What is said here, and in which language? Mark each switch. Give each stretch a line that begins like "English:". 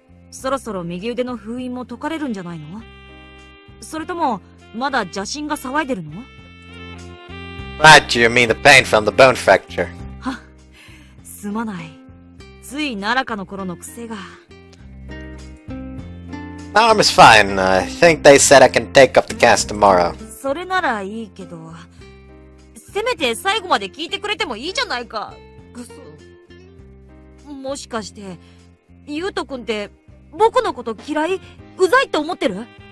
Japanese: そろそろ右腕の封印も解かれるんじゃないの？それともまだ邪神が騒いでるの？
English: Right, you mean the pain from the bone fracture.
Japanese: は、すまない。つい奈良かの頃の癖が…
English: My arm is fine. I think they said I can take up the cast tomorrow.
Japanese: それならいいけど、せめて最後まで聞いてくれてもいいじゃないか。くそ。もしかして、ユート君って僕のこと嫌い、うざいって思ってる？